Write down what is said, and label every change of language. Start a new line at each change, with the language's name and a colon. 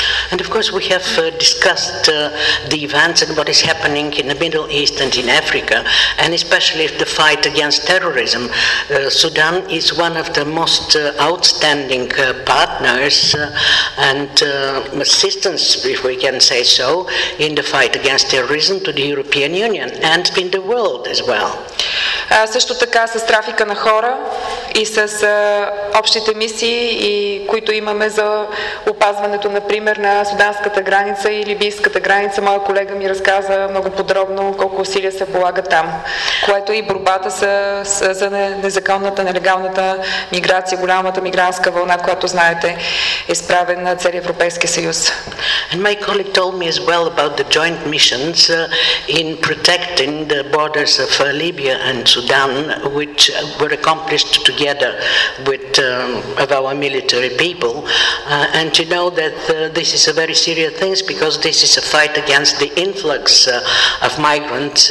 English: And of course we have discussed the events and what is happening in the Middle East and in Africa, and especially the fight against terrorism. Sudan is one of the most outstanding partners and assistance, if we can say so, in the fight against terrorism to the European Union and in the world as well.
Bulgarian: Също така с трафика на хора и с общите мисии, и които имаме за опазването, например, на суданската граница и либийската граница. Моя колега ми разказа много подробно колко усилия се полага там, което и борбата за незаконната, нелегалната миграция, голямата мигрантска вълна, която знаете, е справена на целия Европейски съюз.
English: And my colleague told me as well about the joint missions in protecting the borders of Libya and Sudan, which were accomplished together with of our military people, and to know that this is a very serious thing because this is a fight against the influx of migrants.